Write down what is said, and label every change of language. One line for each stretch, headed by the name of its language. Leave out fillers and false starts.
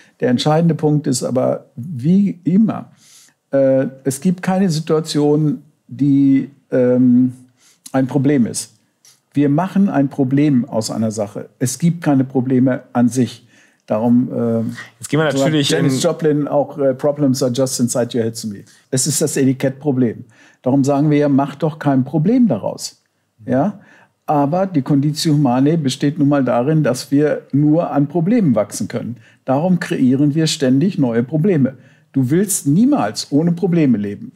German: Der entscheidende Punkt ist aber, wie immer, es gibt keine Situation, die ein Problem ist. Wir machen ein Problem aus einer Sache. Es gibt keine Probleme an sich. Darum, jetzt gehen wir natürlich
English: Janis Joplin auch, Problems are just inside your head to me.
German: Es ist das Etikettproblem. Darum sagen wir ja, mach doch kein Problem daraus. Ja? Aber die Conditio Humanae besteht nun mal darin, dass wir nur an Problemen wachsen können. Darum kreieren wir ständig neue Probleme. Du willst niemals ohne Probleme leben.